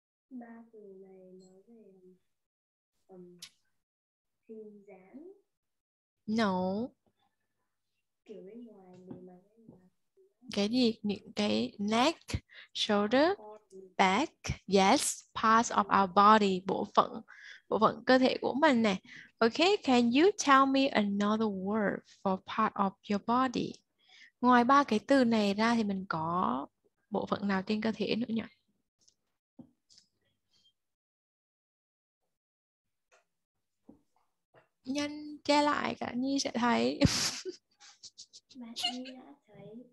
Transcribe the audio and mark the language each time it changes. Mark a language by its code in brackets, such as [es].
[vi] Ba từ này nói về hình dáng. [en] No. [vi] Kiểu bên ngoài, bề mặt bên ngoài. Cái gì? Những cái neck, shoulder, back. [en] Yes, parts of our body. [vi] Bộ phận cơ thể của mình nè. [en] Okay, can you tell me another word for part of your body? [vi] Ngoài ba cái từ này ra thì mình có bộ phận nào trên cơ thể nữa nhỉ? Nhanh che lại, cả Nhi sẽ thấy. Bạn Nhi đã thấy.